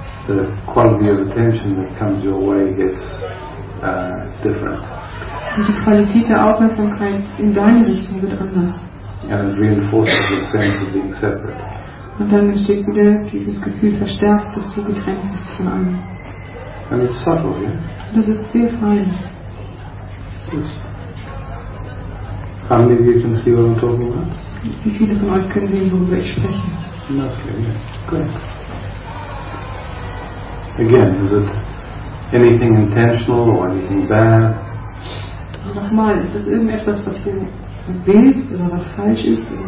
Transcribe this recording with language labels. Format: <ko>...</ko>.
<en>The quality of attention that comes your way gets different.</en> <de>Und die Qualität der Aufmerksamkeit in deine Richtung wird anders.</de> <en>And it reinforces the sense of being separate.</en> <de>Und dann entsteht wieder dieses Gefühl verstärkt, dass du getrennt bist von allem.</de> <en>And it's subtle, yeah?</en> <de>Das ist sehr fein.</de> <en>How many of you can see what I'm talking about?</en> <de>Wie viele von euch können sehen, worüber ich spreche?</de> <en>Okay, yeah. Good. Again, is it anything intentional or anything bad?</en> <de>Nochmal, ist das irgendetwas, was du willst oder was falsch ist?</de>